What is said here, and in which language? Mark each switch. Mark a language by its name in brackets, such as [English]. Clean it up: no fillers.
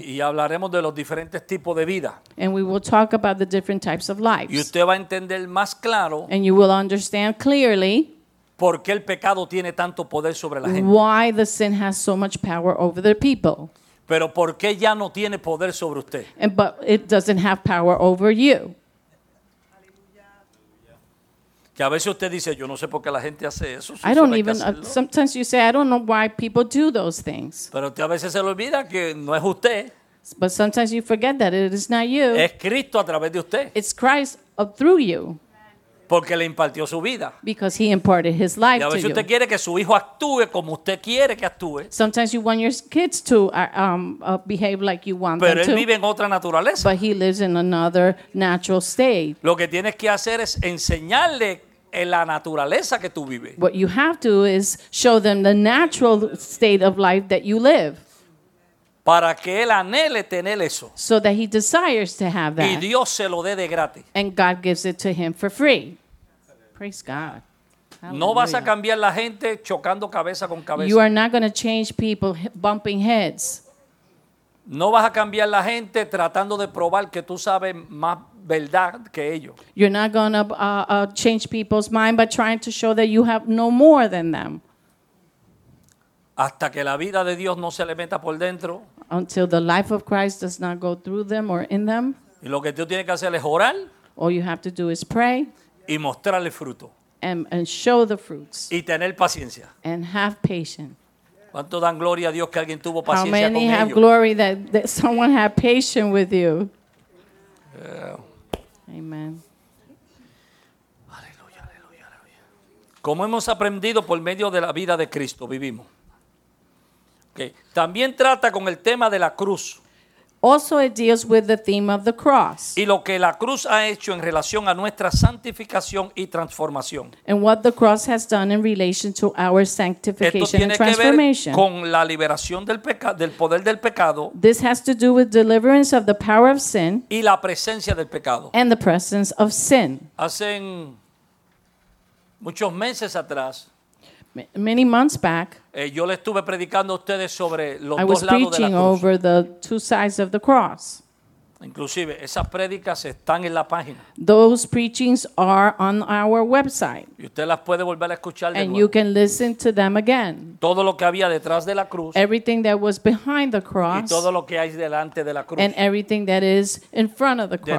[Spanish] Y hablaremos de los diferentes tipos de vida. [English] And we will talk about the different types of lives. [Spanish] Y usted va a entender más claro. [English] And you will understand clearly. [Spanish] ¿Por qué el pecado tiene tanto poder sobre la gente? [English] Why the sin has so much power over the people? [Spanish] ¿Pero por qué ya no tiene poder sobre usted? [English] And, but it doesn't have power over you. [Spanish] Que a veces usted dice, yo no sé por qué la gente hace eso. [English] I don't even, sometimes you say, I don't know why people do those things. [Spanish] Pero a veces se le olvida que no es usted. [English] But sometimes you forget that it is not you. [Spanish] Es Cristo a través de usted. [English] It's Christ through you. [Spanish] Porque le impartió su vida. [English] Because he imparted his life to you. [Spanish] Y a veces usted quiere que su hijo actúe como usted quiere que actúe. [English] Sometimes you want your kids to behave like you want them to. [Spanish] Pero él vive en otra naturaleza. [English] But he lives in another natural state. [Spanish] Lo que tienes que hacer es enseñarle en la naturaleza que tú vives. [English] What you have to is show them the natural state of life that you live. [Spanish] Para que él anhele tener eso. [English] So that he desires to have that. [Spanish] Y Dios se lo dé de gratis. [English] And God gives it to him for free. Praise God. Hallelujah. [Spanish] No vas a cambiar la gente chocando cabeza con cabeza. [English] You are not going to change people bumping heads. [Spanish] No vas a cambiar la gente tratando de probar que tú sabes más verdad que ellos. [English] You're not going to change people's mind by trying to show that you have no more than them. [Spanish] hasta que la vida de Dios no se le meta por dentro. [English] Until the life of Christ does not go through them or in them. [Spanish] Y lo que tú tienes que hacer es orar. [English] All you have to do is pray. [Spanish] Y mostrarle fruto. [English] And show the fruits. [Spanish] Y tener paciencia. [English] And have patience. [Spanish] ¿Cuánto dan gloria a Dios que alguien tuvo paciencia con ellos? [English] have glory that someone had patience with you? Amen. [Spanish] Aleluya, aleluya, aleluya. Como hemos aprendido por medio de la vida de Cristo, vivimos. Okay. También trata con el tema de la cruz. [English] Also it deals with the theme of the cross. [Spanish] Y lo que la cruz ha hecho en relación a nuestra santificación y transformación. [English] And what the cross has done in relation to our sanctification and transformation. [Spanish] Esto tiene que ver con la liberación del poder del pecado. [English] This has to do with deliverance of the power of sin. [Spanish] Y la presencia del pecado. [English] And the presence of sin. [Spanish] Hace muchos meses atrás. [English] Many months back, [Spanish] yo le estuve predicando a ustedes sobre los dos lados de la cruz. [English] I was preaching over the two sides of the cross. [Spanish] Inclusive, esas prédicas están en la página. [English] Those preachings are on our website. [Spanish] Y usted las puede volver a escuchar de nuevo. [English] And you can listen to them again. [Spanish] Todo lo que había detrás de la cruz. [English] Everything that was behind the cross. [Spanish] Y todo lo que hay delante de la cruz. [English] And everything that is in front of the cross.